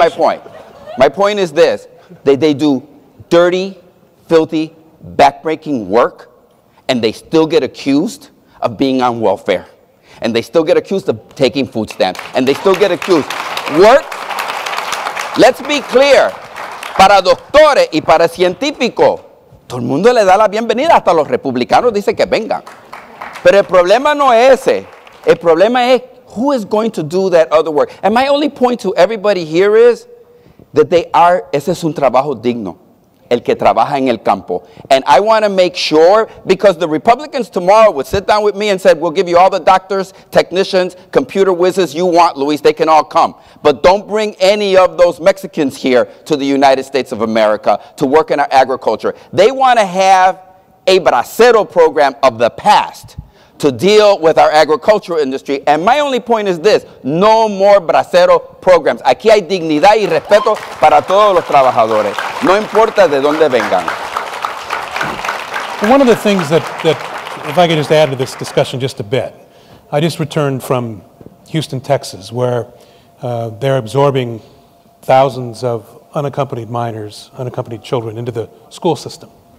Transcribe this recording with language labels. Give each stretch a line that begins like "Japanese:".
English: Here's my point. My point is this. They do dirty, filthy, backbreaking work, and they still get accused of being on welfare. And they still get accused of taking food stamps. And they still get accused. Work Let's be clear.
Spanish: Para doctores y para científicos, todo el mundo le da la bienvenida, hasta los republicanos dicen que vengan. Pero el problema no es ese. El problema es,
English: who is going to do that other work? And my only point to everybody here is that they are,
Spanish: ese es un trabajo digno, el que trabaja en el campo.
English: And I want to make sure, because the Republicans tomorrow would sit down with me and said, we'll give you all the doctors, technicians, computer whizzes you want, Luis, they can all come. But don't bring any of those Mexicans here to the United States of America to work in our agriculture. They want to have a bracero program of the past to deal with our agricultural industry. And my only point is this, no more bracero programs.
Spanish: Aquí hay dignidad y respeto para todos los trabajadores. No importa de dónde vengan.
English: One of the things that if I could just add to this discussion just a bit, I just returned from Houston, Texas, where they're absorbing thousands of unaccompanied minors, unaccompanied children into the school system.